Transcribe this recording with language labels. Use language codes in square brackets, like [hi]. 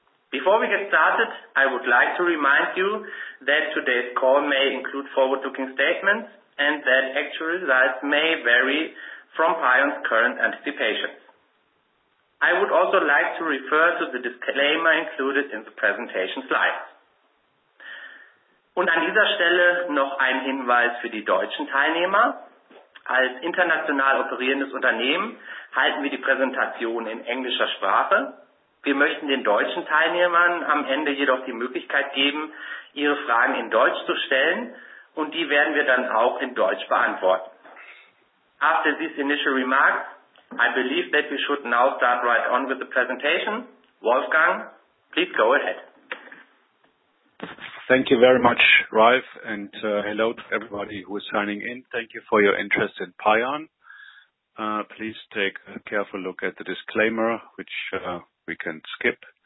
[en] Before we get started, I would like to remind you that today's call may include forward-looking statements and that actual results may vary from PION's current anticipations. I would also like to refer to the disclaimer included in the presentation slides. [de] Und an dieser Stelle noch ein Hinweis für die deutschen Teilnehmer. Als international operierendes Unternehmen halten wir die Präsentation in englischer Sprache. Wir möchten den deutschen Teilnehmern am Ende jedoch die Möglichkeit geben, ihre Fragen in Deutsch zu stellen, und die werden wir dann auch in Deutsch beantworten. [en] After these initial remarks, I believe that we should now start right on with the presentation. Wolfgang, please go ahead. Thank you very much, Ralf, and hello to everybody who is signing in. Thank you for your interest in PION. Please take a careful look at the disclaimer, which we can skip.